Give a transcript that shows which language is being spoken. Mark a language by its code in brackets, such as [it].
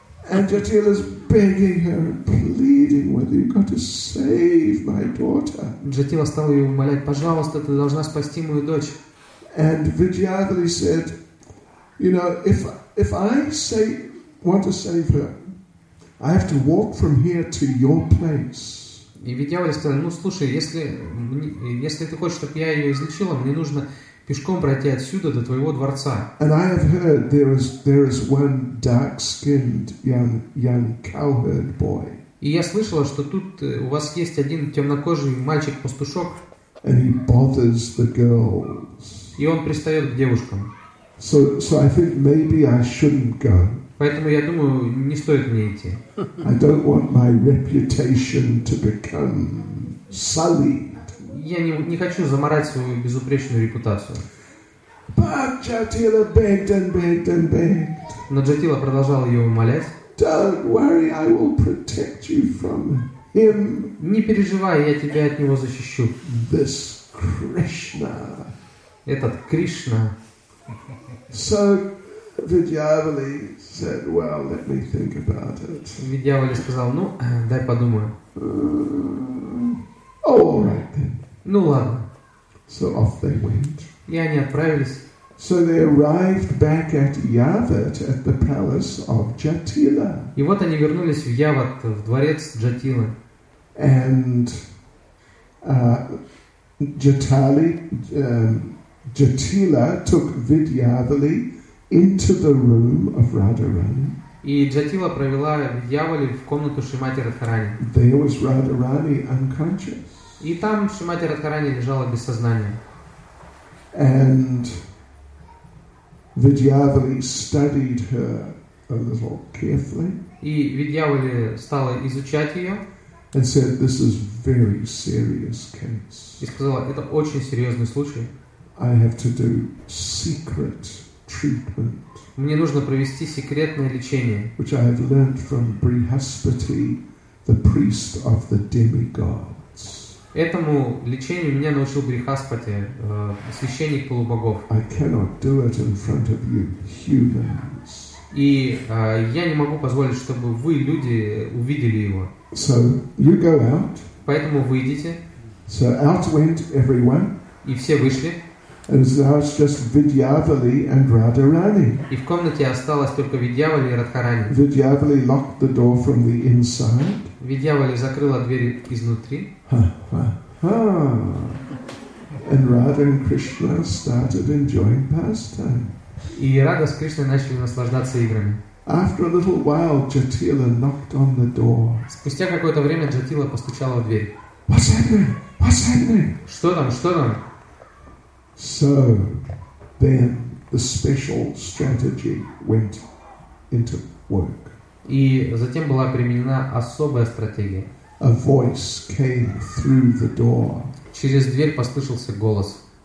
[en] And Jatila's begging her, pleading with her, you got to save my daughter. [ru] Джатила стала ее умолять, пожалуйста, ты должна спасти мою дочь. [en] And Vidyavali said, You know, if I say want to save her, I have to walk from here to your place. [ru] И ведь дьявол сказал: ну слушай, если ты хочешь, чтобы я ее излечила, мне нужно пешком пройти отсюда до твоего дворца. [en] And I have heard there is one dark-skinned young cowherd boy. [ru] И я слышала, что тут у вас есть один темнокожий мальчик-пастушок. [en] And he bothers the girls. [ru] И он пристает к девушкам. [en] So I think maybe I shouldn't go. [ru] Поэтому я думаю, не стоит мне идти. [en] I don't want my reputation to become sullied. [ru] Я не хочу замарать свою безупречную репутацию. [en] But Jatila begged and begged and begged. [ru] Но Джатила продолжал ее умолять. [en] Don't worry, I will protect you from him. [ru] Не переживай, я тебя от него защищу. [en] This Krishna. [ru] Этот Кришна. [en] So Vidyavali said, "Well, let me think about it." [ru] Vidyavali сказал: "Ну, дай подумаю." [en] Oh, all right then. [ru] Ну ладно. [en] So off they went. [ru] И они отправились. [en] So they arrived back at Yavat at the palace of Jatila. [ru] И вот они вернулись в Яват, в дворец Джатилы. [en] And Jatila took Vidyavali into the room of Radharani. [ru] И Джатила провела Видьявали в комнату Шримати Радхарани. [en] There was Radharani unconscious. [ru] И там Шримати Радхарани лежала без сознания. [en] And Vidyavali studied her a little carefully. [ru] И Видьявали стала изучать ее. [en] And said, "This is very serious case." [ru] И сказала: "Это очень серьезный случай." [en] I have to do secret treatment. [ru] Мне нужно провести секретное лечение. [en] Which I have learned from Brihaspati, the priest of the demigods. [ru] Этому лечению меня научил Брихаспати, священник полубогов. [en] I cannot do it in front of you, humans. [ru] И я не могу позволить, чтобы вы, люди, увидели его. [en] So you go out. [ru] Поэтому выйдите. [en] So out went everyone. [ru] И все вышли. [en] And now it's just Vidyavali and Radharani. [ru] И в комнате осталось только Vidyavali и Radharani. [en] Vidyavali locked the door from the inside. [ru] Vidyavali закрыла дверь изнутри. [en] And Radha and Krishna started enjoying pastime. [ru] И Радха с Кришной начали наслаждаться играми. [en] After a little while, Jatila knocked on the door. [ru] Спустя какое-то время Джатила постучала в дверь. [en] What's happening? [ru] Что там? [en] So then the special strategy went into work. [ru] И затем была применена особая стратегия. [en] A voice came through the door. [ru] Через дверь послышался голос.